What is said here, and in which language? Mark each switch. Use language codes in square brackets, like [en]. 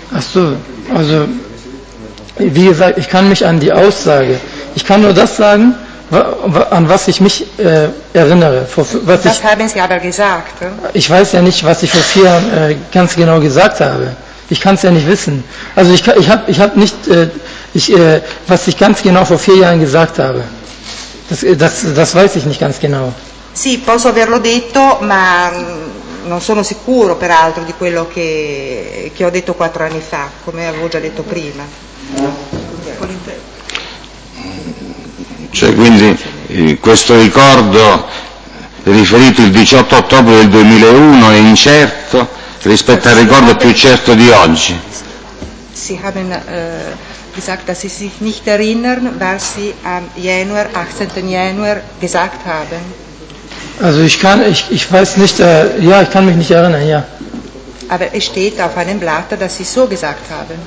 [de] Ach so, also wie gesagt, ich kann mich an die Aussage, ich kann nur das sagen, an was ich mich erinnere. Was haben Sie aber gesagt? Ich weiß ja nicht, was ich vor vier Jahren ganz genau gesagt habe. Ich kann es ja nicht wissen. Also was ich ganz genau vor vier Jahren gesagt habe. Das weiß ich nicht ganz genau. [it] Sì, posso averlo detto, ma non sono sicuro peraltro di quello che ho detto quattro anni fa, come avevo già detto prima. Cioè quindi questo ricordo riferito il 18 ottobre del 2001 è incerto rispetto al ricordo più certo di oggi. [de] Sie haben gesagt, dass Sie sich nicht erinnern, was Sie am 18. Januar gesagt haben. Also ich weiß nicht, ich kann mich nicht erinnern, ja. Aber es steht auf einem Blatt, dass Sie so gesagt haben.